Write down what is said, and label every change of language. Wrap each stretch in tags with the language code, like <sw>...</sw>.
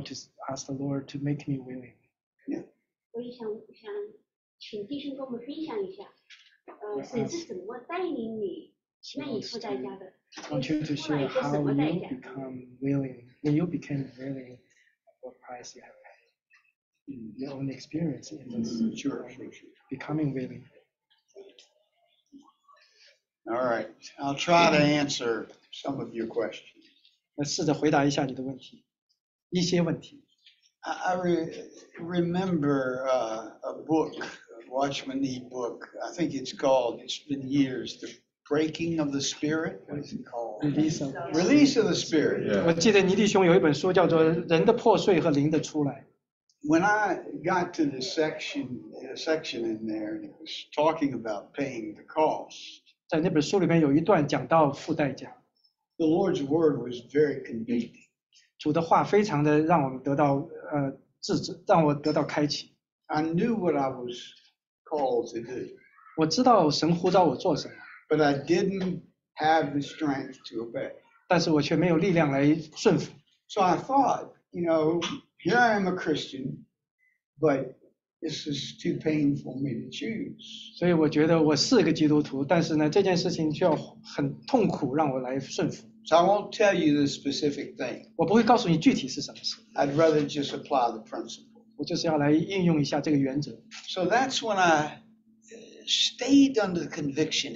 <en>to ask the Lord to make me willing? Yeah.</en> <zh>我想请弟兄跟我们分享一下，神是怎么带领你愿意付代价的？Want</zh> <en>you to share how you become willing? When you became willing, what price you have paid? Your own experience in this becoming willing. All right, I'll try to answer some of your questions.</en> <zh>我试着回答一下你的问题，一些问题。</zh> <en>I remember a book, a Watchman Nee book. I think it's called, it's been years, The Breaking of the Spirit. What is it called? Release of the Spirit. Yeah.</en> <zh>我记得尼弟兄有一本书叫做《人的破碎和灵的出来》。</zh> <en>When I got to the section in there, and it was talking about paying the cost.</en> <zh>在那本书里面有一段讲到付代价。The</zh> <en>Lord's word was very convicting.</en> <zh>主的话非常的让我得到开启。I</zh> <en>knew what I was called to do.</en> <zh>我知道神呼召我做什么。But</zh> <en>I didn't have the strength to obey.</en> <zh>但是我却没有力量来顺服。So</zh> <en>I thought, you know, here I am a Christian, but this is too painful for me to choose.</en> <zh>所以我觉得我是个基督徒，但是呢，这件事情却很痛苦，让我来顺服。</zh> <en>So I won't tell you the specific thing.</en> <zh>我不会告诉你具体是什么事。</zh> <en>I'd rather just apply the principle.</en> <zh>我就是要来应用一下这个原则。</zh> <en>So that's when I stayed under the conviction.</en>